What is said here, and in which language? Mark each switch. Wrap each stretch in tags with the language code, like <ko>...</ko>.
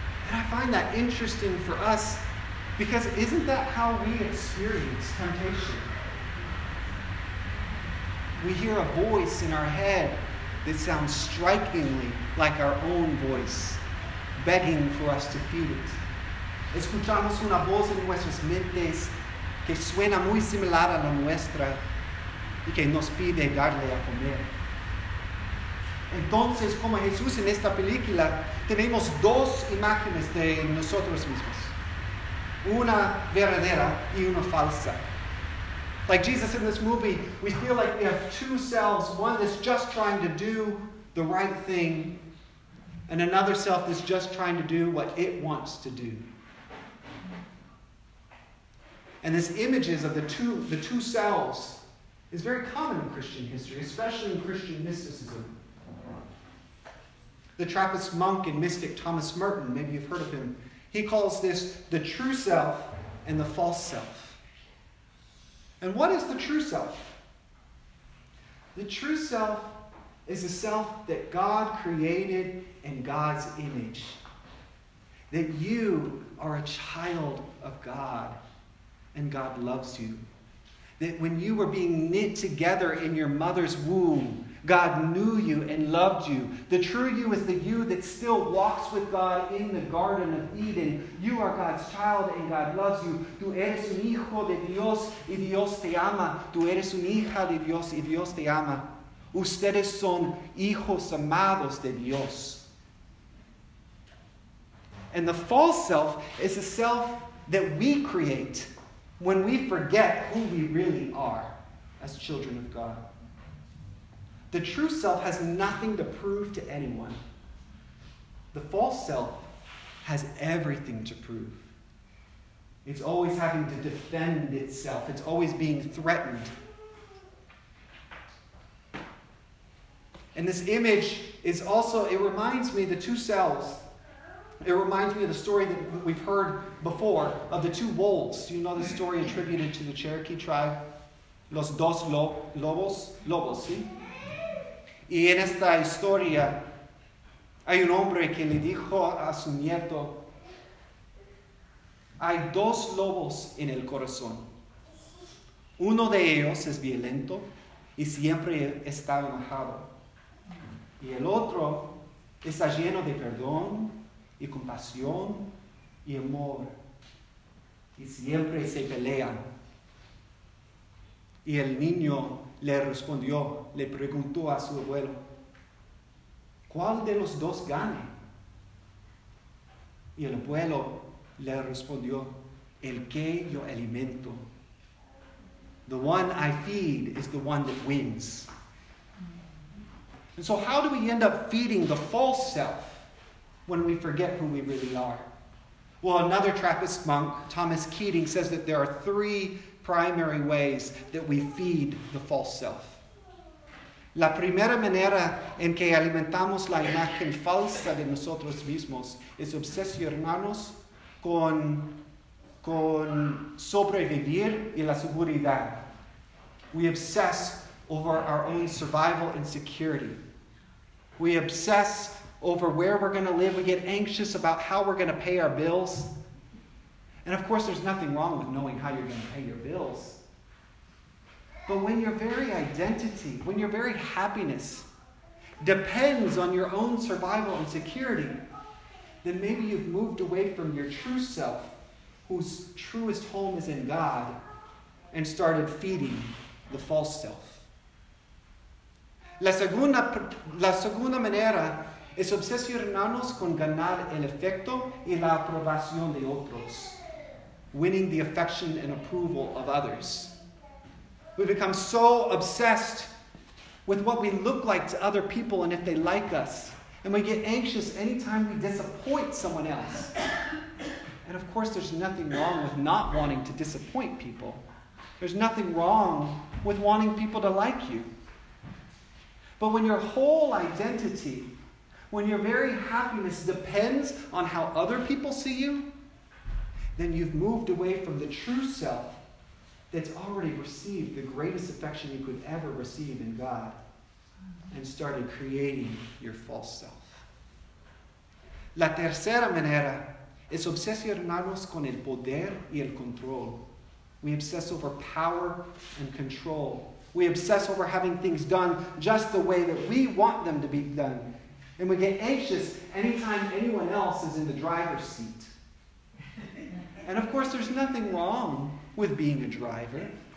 <en>And I find that interesting for us because isn't that how we experience temptation? We hear a voice in our head that sounds strikingly like our own voice, begging for us to feed it.</en> <es>Escuchamos una voz en nuestras mentes que suena muy similar a la nuestra y que nos pide darle a comer. Entonces, como Jesús en esta película, tenemos dos imágenes de nosotros mismos. una verdadera y una falsa.</es> <en>Like Jesus in this movie, we feel like we have two selves, one that's just trying to do the right thing, and another self that's just trying to do what it wants to do. And this images of the two selves is very common in Christian history, especially in Christian mysticism. The Trappist monk and mystic Thomas Merton, maybe you've heard of him, he calls this the true self and the false self. And what is the true self? The true self is a self that God created in God's image. That you are a child of God and God loves you. That when you were being knit together in your mother's womb, God knew you and loved you. The true you is the you that still walks with God in the Garden of Eden. You are God's child and God loves you.</en> <es>Tú eres un hijo de Dios y Dios te ama. Tú eres una hija de Dios y Dios te ama. Ustedes son hijos amados de Dios.</es> <en>And the false self is a self that we create when we forget who we really are as children of God. The true self has nothing to prove to anyone. The false self has everything to prove. It's always having to defend itself. It's always being threatened. And this image is also, it reminds me, the two selves, it reminds me of the story that we've heard before of the two wolves. Do you know the story attributed to the Cherokee tribe?</en> <es>Los dos lobos, lobos, ¿sí? Y en esta historia, hay un hombre que le dijo a su nieto, hay dos lobos en el corazón. Uno de ellos es violento y siempre está enojado. Y el otro está lleno de perdón y compasión y amor. Y siempre se pelean. Y el niño le respondió, le preguntó a su abuelo, ¿cuál de los dos gane? Y el abuelo le respondió, el que yo alimento.</es> <en>The one I feed is the one that wins. And so how do we end up feeding the false self when we forget who we really are? Well, another Trappist monk, Thomas Keating, says that there are three primary ways that we feed the false self.</en> <es>La primera manera en que alimentamos la imagen falsa de nosotros mismos es obsesionarnos con sobrevivir y la seguridad.</es> <en>We obsess over our own survival and security. We obsess over where we're going to live. We get anxious about how we're going to pay our bills. And of course, there's nothing wrong with knowing how you're going to pay your bills. But when your very identity, when your very happiness depends on your own survival and security, then maybe you've moved away from your true self, whose truest home is in God, and started feeding the false self.</en> <es>La segunda manera es obsesionarnos con ganar el efecto y la aprobación de otros.</es> <en>Winning the affection and approval of others. We become so obsessed with what we look like to other people and if they like us. And we get anxious anytime we disappoint someone else. And of course, there's nothing wrong with not wanting to disappoint people. There's nothing wrong with wanting people to like you. But when your whole identity, when your very happiness depends on how other people see you, then you've moved away from the true self that's already received the greatest affection you could ever receive in God and started creating your false self.</en> <es>La tercera manera es obsesionarnos con el poder y el control.</es> <en>We obsess over power and control. We obsess over having things done just the way that we want them to be done. And we get anxious anytime anyone else is in the driver's seat. And of course, there's nothing wrong with being a driver.</en>